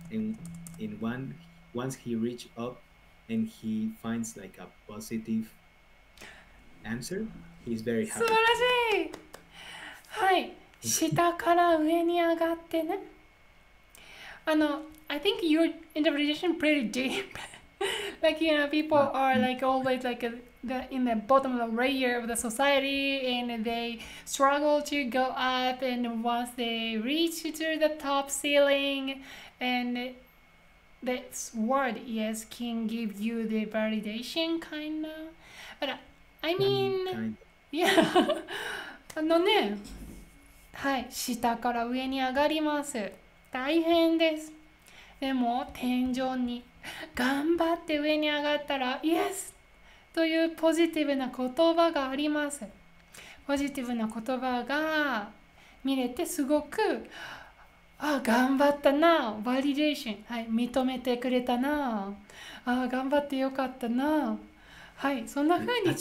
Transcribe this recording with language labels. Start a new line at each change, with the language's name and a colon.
English: And in one, once he reach up and he finds like a positive answer, he's very happy.
Japanese: 素晴らしい。はい。下から上に上がってね。
English: I think your interpretation is pretty deep. Like, you know, people are like always like in the bottom of the layer of the society and they struggle to go up. And once they reach to the top ceiling, and that's what, yes, can give you the validation, kind of. But I mean, yeah.
Japanese: はい、下から上に上がります。大変です。でも天井に頑張って上に上がったら Yes! というポジティブな言葉があります。ポジティブな言葉が見れてすごくあ頑張ったな Validation、はい、認めてくれたなあ頑張ってよかったなはい、そんな風に